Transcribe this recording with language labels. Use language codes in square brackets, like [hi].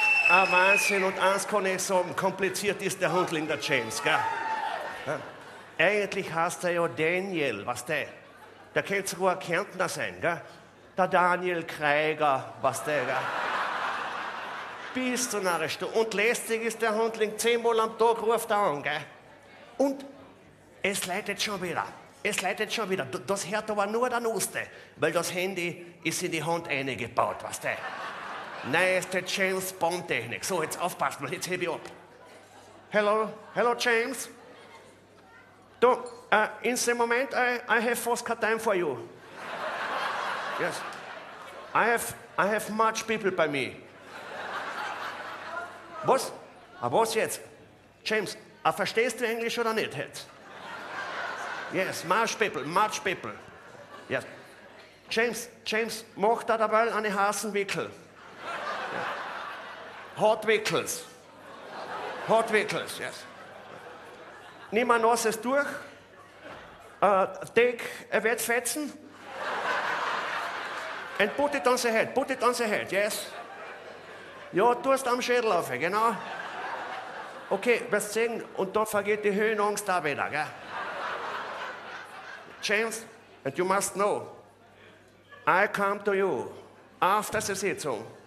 [de] Ah, Wahnsinn, und eins kann ich sagen, kompliziert ist der Hundling, der James, gell? Ja. Eigentlich heißt er ja Daniel, was der? Da könnte sogar ein Kärntner sein, gell? Der Daniel Kreiger, was der, gell? Bist du narrisch, du? Und lästig ist der Hundling, 10-mal am Tag ruft er an, gell? Und es leitet schon wieder. Es leitet schon wieder. Das hört aber nur der Nuste, weil das Handy ist in die Hand eingebaut, was der? Neueste James-Bond-Technik. So, jetzt aufpasst mal, jetzt hebe ich ab. [en] Hello, hello, James. [de] Du, in dem Moment, [en] I have [de] fast kein [en] time for you. Yes. I have much people by me. [de] Was? Aber was jetzt? James, verstehst du Englisch oder nicht jetzt? [en] Yes, much people. Yes. [de] James, mach da dabei eine Hasenwickel. Hot Wickels, yes. Nimm ein nasses Tuch. [en] Take a wet Fetzen. And put it on the head, yes. [de] Ja, tu es am Schädel auf, genau. Okay, wirst sehen, und da vergeht die Höhenangst auch wieder, gell? [en] James, and you must know, I come to you after the Sitzung.